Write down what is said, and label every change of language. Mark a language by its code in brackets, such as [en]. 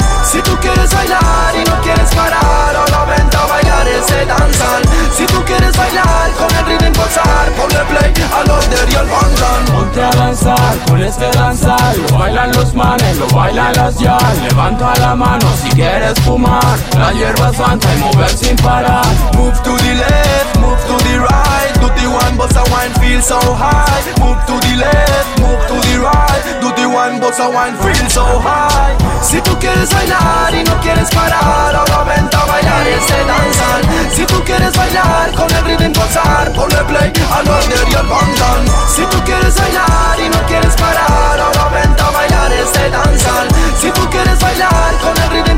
[es] Si tú quieres bailar y no quieres parar, ahora vente a bailar ese dancehall. Si tú quieres bailar con el ritmo pulsar, ponle play al order y al bandan. Ponte a danzar con este dancehall. Lo bailan los manes, lo bailan las yas. Levanta la mano si quieres fumar. La hierba santa y mover sin parar. [en] Move to the left, move to the right. Do the one, bossa wine, feel so high. Move to the left, move to the right. Do the one, bossa wine, feel so high. [es] Si tú quieres bailar y no quieres parar, ahora vente a bailar ese dancehall. Si tú quieres bailar con el rhythm pulsar, ponle play al order y al bandan. Si tú quieres bailar y no quieres parar, ahora vente a bailar ese dancehall. Si tú quieres bailar con el rhythm.